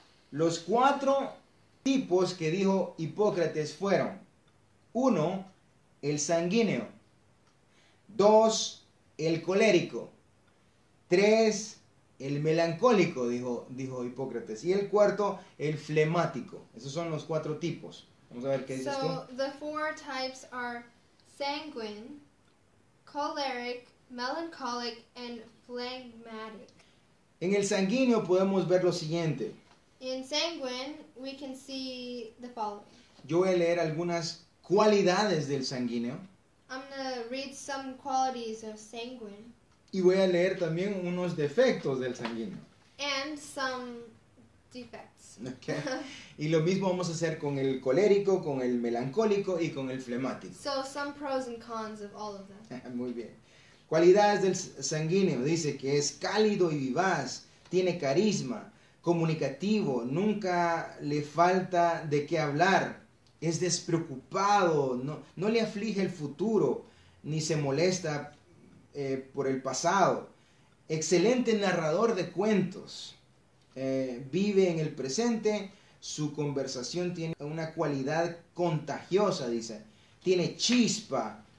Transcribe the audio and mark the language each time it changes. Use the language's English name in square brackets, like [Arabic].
[Spanish] Los cuatro tipos que dijo Hipócrates fueron: uno, el sanguíneo; dos, el colérico; tres, el melancólico, dijo Hipócrates; y el cuarto, el flemático. Esos son los cuatro tipos. Vamos a ver qué dices [English] so, [Spanish] tú. [English] So, the four types are sanguine, choleric, melancholic, and phlegmatic. [Spanish] En el sanguíneo podemos ver lo siguiente. [English] In sanguine, we can see the following. [Spanish] Yo voy a leer algunas cualidades del sanguíneo. [English] I'm going to read some qualities of sanguine. [Spanish] Y voy a leer también unos defectos del sanguíneo. [English] And some defects. [Spanish] Okay. Y lo mismo vamos a hacer con el colérico, con el melancólico y con el flemático. [English] So some pros and cons of all of them. [Spanish] Muy bien. Cualidades del sanguíneo. Dice que es cálido y vivaz, tiene carisma, comunicativo, nunca le falta de qué hablar, es despreocupado, no le aflige el futuro, ni se molesta por el pasado, excelente narrador de cuentos, vive en el presente, su conversación tiene una cualidad contagiosa, dice, tiene chispa,